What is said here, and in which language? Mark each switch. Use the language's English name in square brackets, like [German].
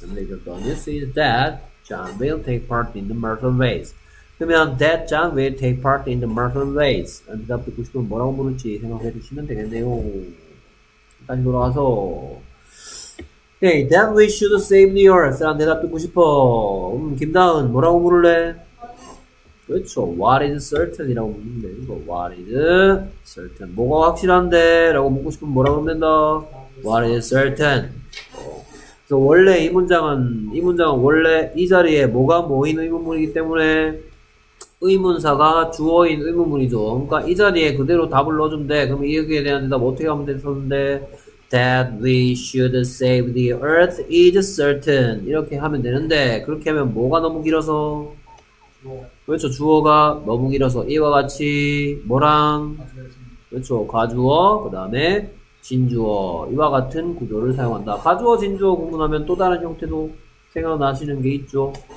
[English] The news is that John will take part in the marathon race. [Korean] 그러면, [English] that John will take part in the marathon race. [Korean] 대답 듣고 싶으면 뭐라고 부를지 생각해 주시면 되겠네요. 다시 돌아와서. [English] Okay, then we should save the earth. [Korean] 라는 대답 듣고 싶어. 김다은, 뭐라고 부를래? 그렇죠. [English] What is certain? [Korean] 이라고 묻는데, 이거. [English] What is certain? [Korean] 뭐가 확실한데? 라고 묻고 싶으면 뭐라고 하면 된다? [English] What is certain? [Korean] 그래서 원래 이 문장은 원래 이 자리에 뭐가 모인 의문문이기 때문에 의문사가 주어인 의문문이죠. 그러니까 이 자리에 그대로 답을 넣어주면 돼. 그럼 여기에 대한 대답 어떻게 하면 되겠는데? [English] That we should save the earth is certain. [Korean] 이렇게 하면 되는데, 그렇게 하면 뭐가 너무 길어서? 그렇죠. 주어가 너무 길어서. 이와 같이, 뭐랑? 그렇죠. 가주어, 그 다음에 진주어. 이와 같은 구조를 사용한다. 가주어, 진주어 구분하면 또 다른 형태도 생각나시는 게 있죠.